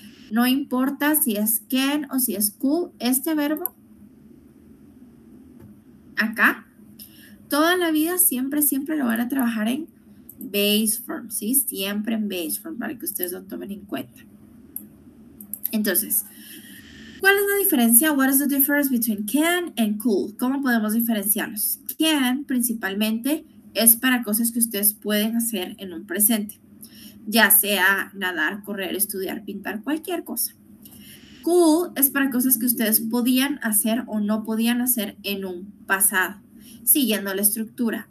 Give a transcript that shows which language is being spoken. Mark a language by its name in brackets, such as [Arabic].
[Spanish] No importa si es can o si es could, este verbo acá, toda la vida siempre, siempre lo van a trabajar en base form, ¿sí? Siempre en base form, para que ustedes lo tomen en cuenta. Entonces, ¿cuál es la diferencia? [English] What is the difference between can and could? [Spanish] ¿Cómo podemos diferenciarlos? Can, principalmente, es para cosas que ustedes pueden hacer en un presente. Ya sea nadar, correr, estudiar, pintar, cualquier cosa. Could es para cosas que ustedes podían hacer o no podían hacer en un pasado, siguiendo la estructura.